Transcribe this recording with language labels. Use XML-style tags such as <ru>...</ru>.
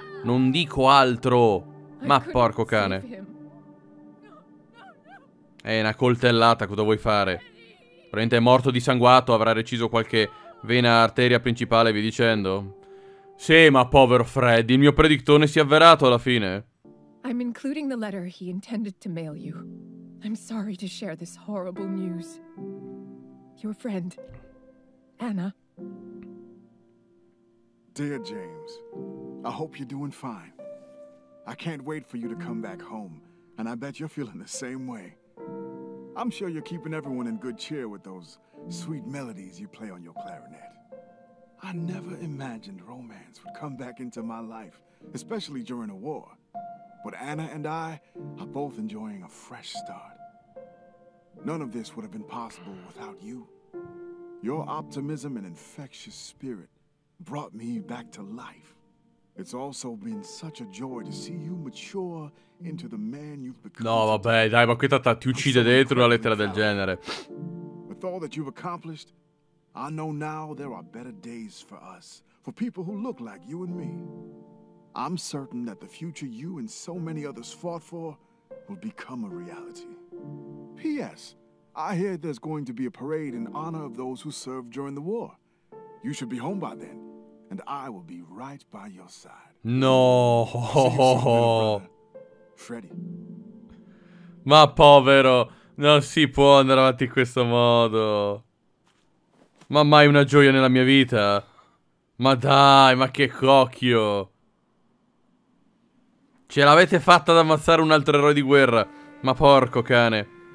<it>Non dico altro. Ma porco cane. È una coltellata, cosa vuoi fare? Probabilmente è morto dissanguato, avrà reciso qualche vena arteria principale, vi dicendo. Sì, ma povero Freddy, il mio predictone si è avverato alla fine.</it> <en>I'm including the letter he intended to mail you. I'm sorry to share this horrible news. Your friend, Anna. Dear James, I hope you're doing fine. I can't wait for you to come back home. And I bet you're feeling the same way. I'm sure you're keeping everyone in good cheer with those sweet melodies you play on your clarinet. I never imagined romance would come back into my life, especially during a war. But Anna and I are both enjoying a fresh start. None of this would have been possible without you. Your optimism and infectious spirit brought me back to life. It's also been such a joy to see you mature into the man you've become.</en> <it>No, vabbè, dai, ma qui ti uccide dentro una lettera del genere.</it> <en>With all that you've accomplished, I know now there are better days for us, for people who look like you and me. I'm certain that the future you and so many others fought for will become a reality. P.S. I hear there's going to be a parade in honor of those who served during the war. You should be home by then. And I will be right by your side.</en> <it>No, Freddy. Ma povero, non si può andare avanti in questo modo. Ma mai una gioia nella mia vita. Ma dai, ma che cocchio. Ce l'avete fatta ad ammazzare un altro eroe di guerra. Ma porco cane.</it>